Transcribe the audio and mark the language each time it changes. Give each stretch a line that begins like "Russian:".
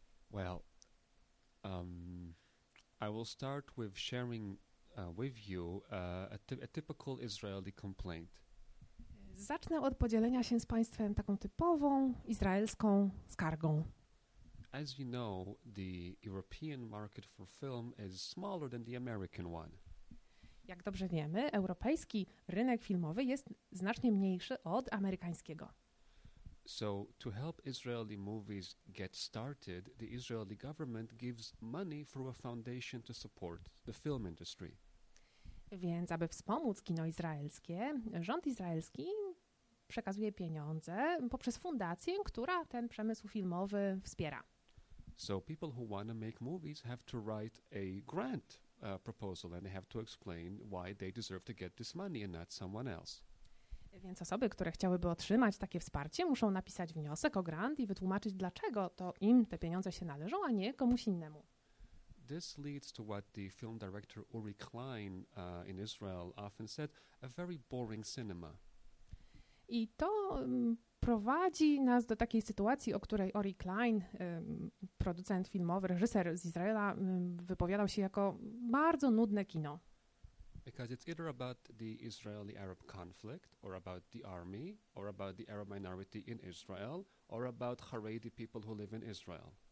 English: Well, I will start with sharing with you a typical Israeli complaint.
Polish: Zacznę od podzielenia się z Państwem taką typową izraelską skargą.
English: As you know, the European market for film is smaller than the American one.
Polish: Jak dobrze wiemy, europejski rynek filmowy jest znacznie mniejszy od amerykańskiego.
English: So to help Israeli movies get started, the Israeli government gives money through a foundation to support the film industry.
Polish: Więc aby wspomóc kino izraelskie, rząd izraelski przekazuje pieniądze poprzez fundację, która ten przemysł filmowy wspiera.
English: So people who want to make movies have to write a grant proposal and they have to explain why they deserve to get this money and not someone else.
Polish: Więc osoby, które chciałyby otrzymać takie wsparcie, muszą napisać wniosek o grant i wytłumaczyć, dlaczego to im te pieniądze się należą, a nie komuś innemu.
English: This leads to what the film director Uri Klein in Israel often said, a very boring cinema.
Polish: I to prowadzi nas do takiej sytuacji, o której Uri Klein, producent filmowy, reżyser z Izraela, wypowiadał się jako bardzo nudne kino.
English: Because it's either about the Israeli-Arab conflict, or about the army, or about the Arab minority in Israel, or about Haredi people who live in Israel.